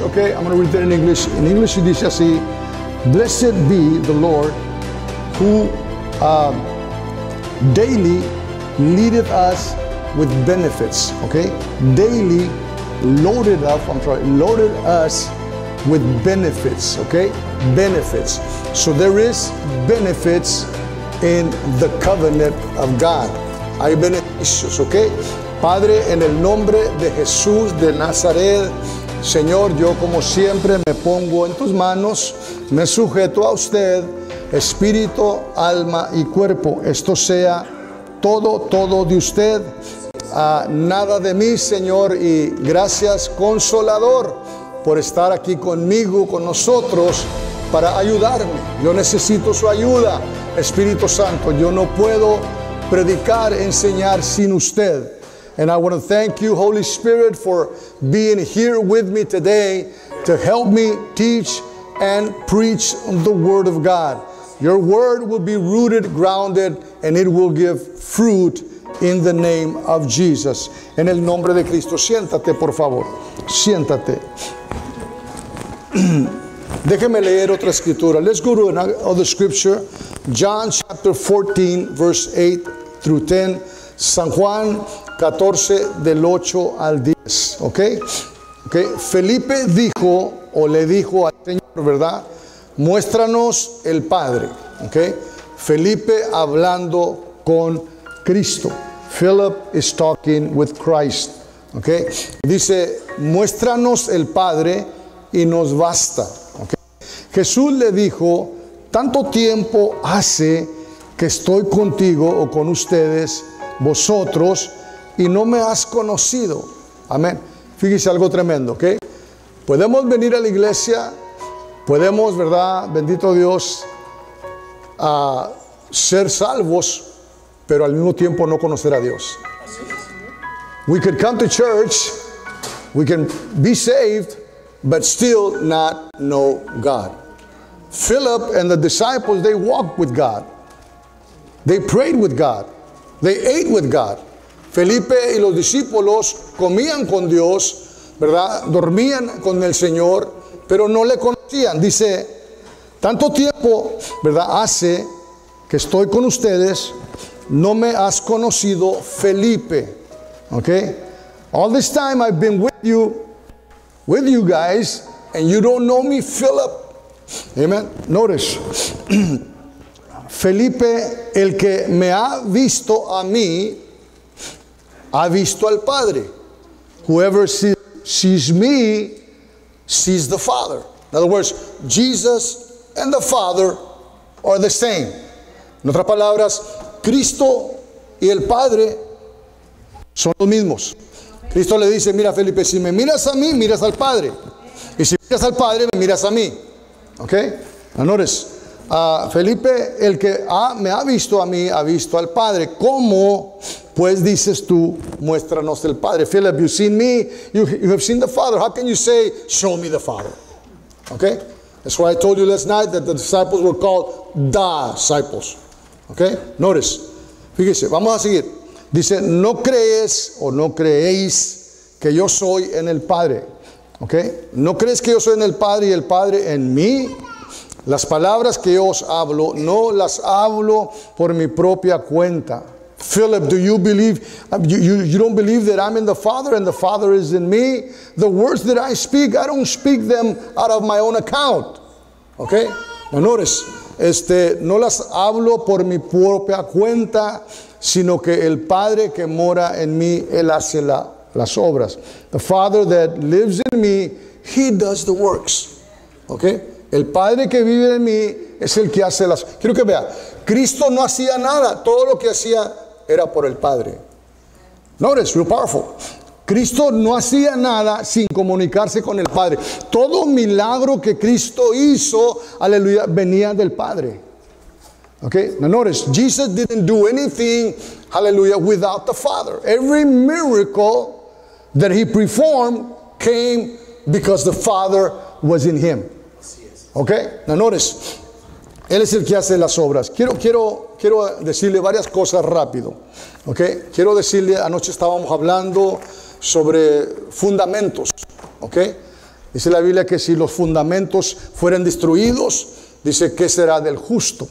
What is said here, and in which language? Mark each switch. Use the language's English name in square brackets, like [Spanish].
[English] Okay, I'm going to read that in English. In English, it [Spanish] dice así: [English] Blessed be the Lord who daily leadeth us with benefits. Okay, daily loaded up. I'm sorry, loaded us with benefits. Okay, benefits. So there is benefits in the covenant of God. [Spanish] Hay beneficios, ok. Padre, en el nombre de Jesús de Nazaret, Señor, yo como siempre me pongo en tus manos, me sujeto a usted, espíritu, alma y cuerpo. Esto sea todo, todo de usted, nada de mí, Señor. Y gracias, Consolador, por estar aquí conmigo, con nosotros, para ayudarme. Yo necesito su ayuda, Espíritu Santo. Yo no puedo predicar, enseñar sin usted. [English] And I want to thank you, Holy Spirit, for being here with me today to help me teach and preach the Word of God. Your Word will be rooted, grounded, and it will give fruit in the name of Jesus. [Spanish] En el nombre de Cristo, siéntate, por favor. Siéntate. Déjeme leer otra escritura. [English] Let's go to another scripture. John chapter 14, verse 8. Through 10, [Spanish] San Juan 14, del 8 al 10, ¿ok? Felipe dijo, o le dijo al Señor, ¿verdad? Muéstranos el Padre, ¿ok? Felipe hablando con Cristo. [English] Philip is talking with Christ, ¿ok? [Spanish] Dice, muéstranos el Padre y nos basta, ¿ok? Jesús le dijo, tanto tiempo hace que estoy contigo o con ustedes, vosotros, y no me has conocido. Amén. Fíjese algo tremendo, ¿ok? Podemos venir a la iglesia, podemos, ¿verdad? Bendito Dios, a ser salvos, pero al mismo tiempo no conocer a Dios. [English] We could come to church, we can be saved, but still not know God. Philip and the disciples, they walk with God. They prayed with God. They ate with God. [Spanish] Felipe y los discípulos comían con Dios, ¿verdad? Dormían con el Señor, pero no le conocían. Dice, tanto tiempo, ¿verdad? Hace que estoy con ustedes, no me has conocido, Felipe. [English] Okay? All this time I've been with you guys, and you don't know me, Philip. [Spanish] Amen. Notice. Felipe, el que me ha visto a mí, ha visto al Padre. [English] Whoever sees me, sees the Father. In other words, Jesus and the Father are the same. [Spanish] En otras palabras, Cristo y el Padre son los mismos. Cristo le dice, mira Felipe, si me miras a mí, miras al Padre. Y si miras al Padre, me miras a mí. ¿Ok? Anores. Felipe, el que me ha visto a mí, ha visto al Padre. ¿Cómo, pues, dices tú, muéstranos el Padre? [English] Philip, you've seen me, you have seen the Father. How can you say, show me the Father? Okay? That's why I told you last night that the disciples were called disciples. Okay? Notice. [Spanish] Fíjese, vamos a seguir. Dice, no crees o no creéis que yo soy en el Padre. Okay? ¿No crees que yo soy en el Padre y el Padre en mí? Las palabras que yo os hablo, no las hablo por mi propia cuenta. [English] Philip, do you believe, you don't believe that I'm in the Father and the Father is in me? The words that I speak, I don't speak them out of my own account. Okay? Now notice, [Spanish] no las hablo por mi propia cuenta, sino que el Padre que mora en mí, Él hace las obras. [English] The Father that lives in me, He does the works. Okay? [Spanish] El Padre que vive en mí es el que hace las... Quiero que vea, Cristo no hacía nada. Todo lo que hacía era por el Padre. [English] Notice, real powerful. [Spanish] Cristo no hacía nada sin comunicarse con el Padre. Todo milagro que Cristo hizo, aleluya, venía del Padre. [English] Okay, now notice, Jesus didn't do anything, hallelujah, without the Father. Every miracle that he performed came because the Father was in him. Okay, now notice, [Spanish] Él es el que hace las obras. Quiero decirle varias cosas rápido. Okay, quiero decirle, anoche estábamos hablando sobre fundamentos. Okay, dice la Biblia que si los fundamentos fueran destruidos, dice que será del justo.